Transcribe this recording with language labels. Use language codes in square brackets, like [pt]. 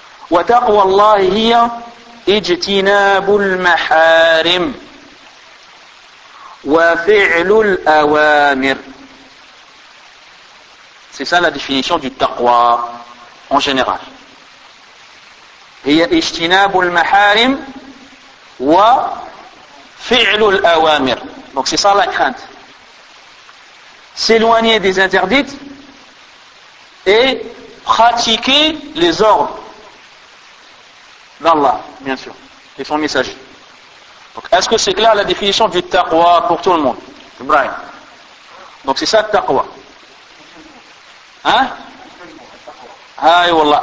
[ar] Wa taqwa Allah hiya ijtinabul maharim. وفعل الأوامر. [fr] C'est ça la définition du taqwa en général. [ar] هي اجتناب المحارم وفعل الأوامر. [fr] Donc c'est ça la crainte. S'éloigner des interdits et pratiquer les ordres d'Allah, bien sûr, et son messager. Donc, est-ce que c'est clair la définition du taqwa pour tout le monde? Ibrahim. Donc c'est ça le taqwa. Hein? Aïe wallah.